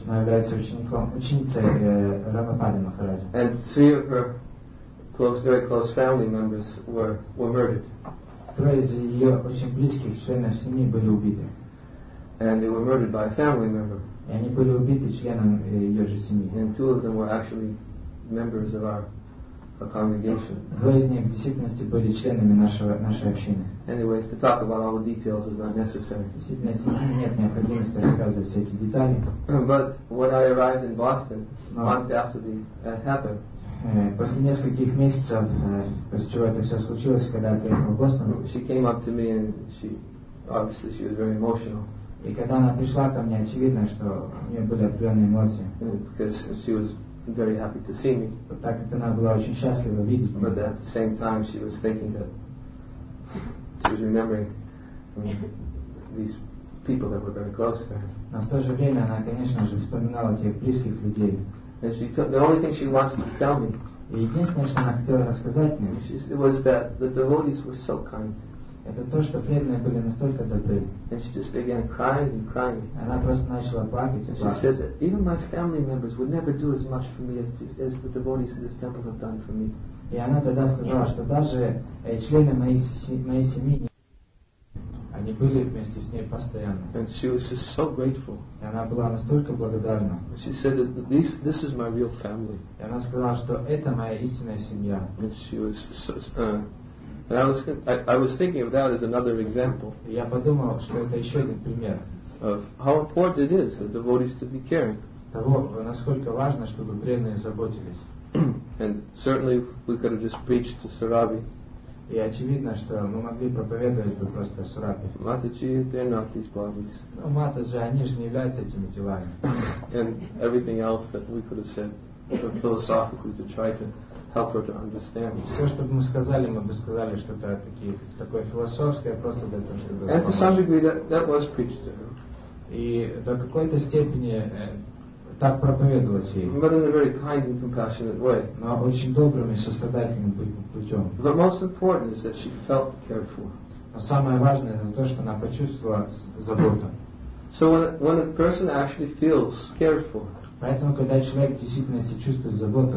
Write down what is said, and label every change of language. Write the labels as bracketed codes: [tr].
[ru] Она является ученицей Рамапады Махараджа. [en] And three of her very close family members were murdered. [ru] Трое из ее очень близких членов семьи были убиты. [en] And they were murdered by a family member. [ru] И они были убиты членом ее же семьи. [en] And two of them were actually members of our a congregation. [ru] Вы из них в действительности были членами нашей общины. [en] Anyways, to talk about all the details is not necessary. [ru] Нет необходимости рассказывать все эти детали. [en] But when I arrived in Boston, months after the happened. [ru] После нескольких месяцев, после чего это все случилось, когда я приехал в Бостон, [en] she came up to me and she obviously she was very emotional. [ru] И когда она пришла ко мне, очевидно, что у нее были определенные эмоции. [en] Because she was very happy to see me. [ru] Вот так как она была очень счастлива видеть меня. [en] But at the same time she was thinking that she was remembering these people that were very close to her. [ru] Но в то же время она, конечно же, вспоминала тех близких людей. [en] And she took the only thing she wanted to tell me. [ru] И единственное, что она хотела рассказать мне, [en] it was that the devotees were so kind. [ru] Это то, что преданные были настолько добры. [en] And she just began crying and crying. [ru] Она просто начала плакать. [en] She said that even my family members would never do as much for me as the devotees in this temple have done for me. [ru] И она тогда сказала, что даже члены моей семьи, они были вместе с ней постоянно. [en] And she was just so grateful. [ru] И она была настолько благодарна. [en] And she said that this is my real family. [ru] И она сказала, что это моя истинная семья. [en] And she was so And I was thinking of that as another example. [ru] Я подумал, что это еще один пример. [en] Of how important it is for devotees to be caring. [ru] Того, насколько важно, чтобы преданные заботились. [en] And certainly we could have just preached to Sarabi. [ru] И очевидно, что мы могли проповедовать бы просто Сарабе. [en] Матаджи, they're not these bodies. [ru] Но Матаджи, они же не являются этими телами. [en] And everything else that we could have said philosophically to try to help her to understand. [ru] Все, что бы мы сказали, мы бы сказали что-то такое философское, просто для того, чтобы. [en] And to some degree, that was preached to her. [ru] И до какой-то степени так проповедовалось ей. [en] But in a very kind and compassionate way. [ru] Но очень добрым и сострадательным путем. [en] The most important is that she felt cared for. [ru] Но самое важное это то, что она почувствовала заботу. [en] So when a person actually feels cared for. [ru] Поэтому, когда человек в действительности чувствует заботу,